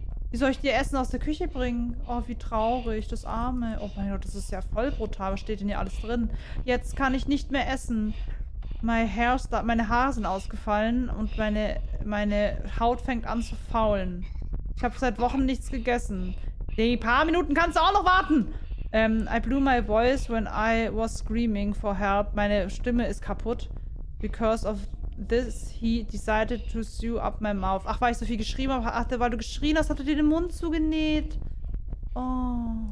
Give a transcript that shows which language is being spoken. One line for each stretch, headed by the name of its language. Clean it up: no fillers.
German: Wie soll ich dir Essen aus der Küche bringen? Oh, wie traurig. Das Arme. Oh mein Gott, das ist ja voll brutal. Was steht denn hier alles drin? Jetzt kann ich nicht mehr essen. Meine Haare sind ausgefallen und meine Haut fängt an zu faulen. Ich habe seit Wochen nichts gegessen. Die paar Minuten kannst du auch noch warten!
English: I blew my voice when I was screaming for help.
German: Meine Stimme ist kaputt.
English: Because of this, he decided to sew up my mouth.
German: Ach, weil ich so viel geschrien habe. Ach, weil du geschrien hast, hat er dir den Mund zugenäht. Oh.